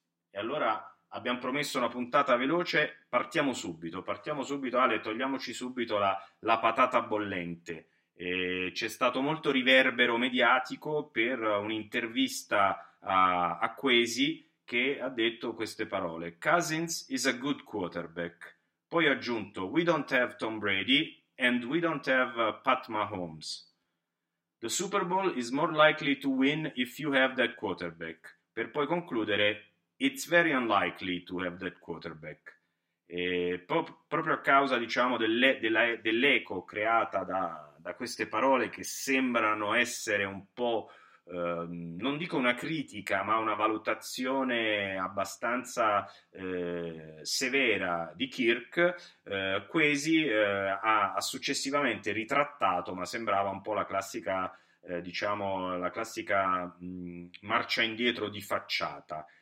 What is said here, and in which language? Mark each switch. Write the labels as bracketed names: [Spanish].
[Italian] E allora abbiamo promesso una puntata veloce, partiamo subito Ale, togliamoci subito la patata bollente. E c'è stato molto riverbero mediatico per un'intervista a Quasi che ha detto queste parole: [English] Cousins is a good quarterback. [Italian] Poi ha aggiunto: [English] we don't have Tom Brady and we don't have Pat Mahomes. The Super Bowl is more likely to win if you have that quarterback. [Italian] Per poi concludere: [English] it's very unlikely to have that quarterback. [Italian] E proprio a causa, diciamo, dell'eco creata da queste parole che sembrano essere un po', non dico una critica, ma una valutazione abbastanza severa di Kirk, Quasi ha successivamente ritrattato, ma sembrava un po' la classica marcia indietro di facciata.